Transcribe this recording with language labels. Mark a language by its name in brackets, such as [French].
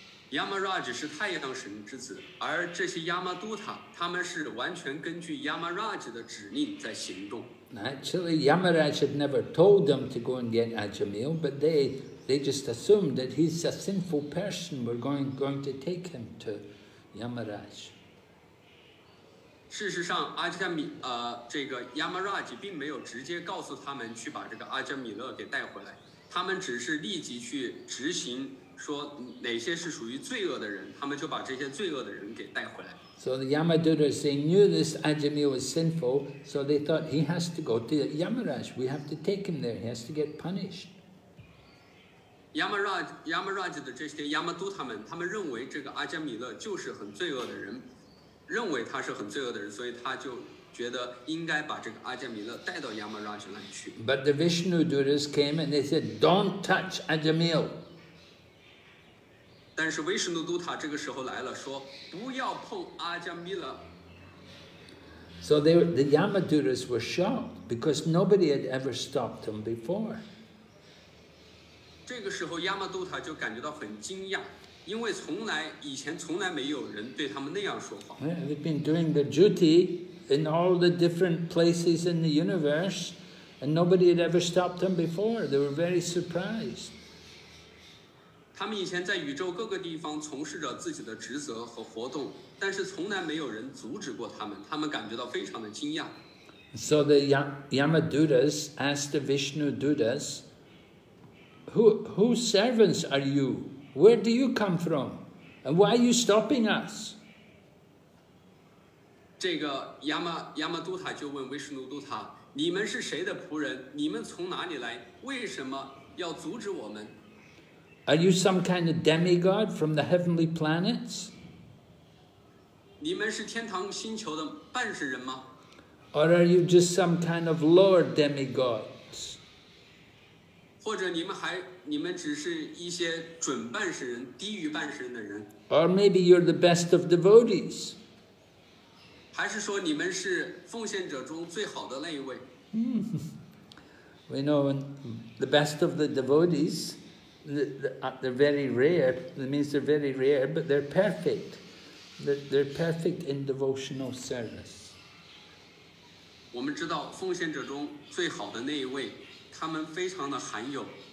[Chinese] Yamaraj 是太阳神之子，而这些 Yamaduta 他们是完全根据 Yamaraj 的指令在行动。 [English] Actually, Yamaraj had never told them to go and get Ajamil, but they just assumed that he's a sinful person. We're going to take him to Yamaraj. [Chinese] 事实上，阿加米这个 Yamaraj 并没有直接告诉他们去把这个阿加米勒给带回来，他们只是立即去执行，说哪些是属于罪恶的人，他们就把这些罪恶的人给带回来。 [English] So the Yamaduras, they knew this Ajami was sinful, so they thought he has to go to Yamaraj. We have to take him there. He has to get punished. [Chinese] Yamaraj 的这些 Yamaduta 们，他们认为这个阿加米勒就是很罪恶的人，认为他是很罪恶的人，所以他就觉得应该把这个阿加米勒带到 Yamaraj 来去。 [English] But the Vishnu Duras came and they said, "Don't touch Ajamil." [Chinese] 但是维什努都塔这个时候来了，说不要碰阿加米勒。 [English] So the Yamaduras were shocked because nobody had ever stopped them before. [Chinese] 这个时候亚玛都塔就感觉到很惊讶。因为从来没有人对他们那样说话。 [English] Yeah, they've been doing their duty in all the different places in the universe, and nobody had ever stopped them before. They were very surprised. [Chinese] 他们以前在宇宙各个地方从事着自己的职责和活动，但是从来没有人阻止过他们，他们感觉到非常的惊讶。 [English] So the Yamadutas asked the Vishnu Dutas, whose servants are you? Where do you come from? And why are you stopping us? [Chinese] 这个亚玛都塔就问维什努都塔，你们是谁的仆人？你们从哪里来？为什么要阻止我们？ [English] Are you some kind of demigod from the heavenly planets? [Chinese] 你们是天堂星球的半世人吗？ [English] Or are you just some kind of lower demigods? [Chinese] 或者你们还你们只是一些准半世人，低于半世人的人。 [English] Or maybe you're the best of devotees. [Chinese] 还是说你们是奉献者中最好的那一位？ [English] We know the best of the devotees, they're very rare. That means they're very rare, but they're perfect. They're perfect in devotional service. [Chinese] 我们知道奉献者中最好的那一位，他们非常的罕有。